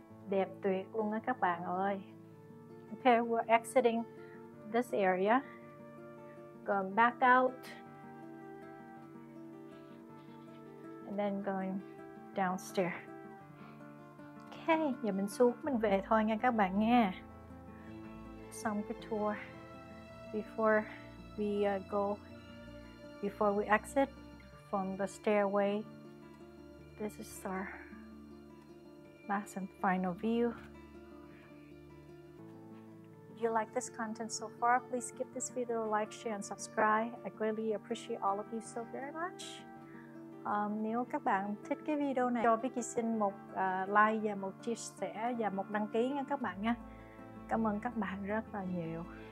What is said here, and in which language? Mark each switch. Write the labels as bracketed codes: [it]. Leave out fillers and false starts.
[vi] Đẹp tuyệt luôn á các bạn ơi. [en] Okay, we're exiting this area. Going back out. then going downstairs. [vi] Okay, giờ mình xuống mình về thôi nha các bạn nha. Xong cái [en] tour before we go, before we exit from the stairway. This is our last and final view. If you like this content so far, please give this video a like, share, and subscribe. I greatly appreciate all of you so very much. [vi] Nếu các bạn thích cái video này, cho Vicky xin một like và một chia sẻ và một đăng ký nha các bạn nha. Cảm ơn các bạn rất là nhiều.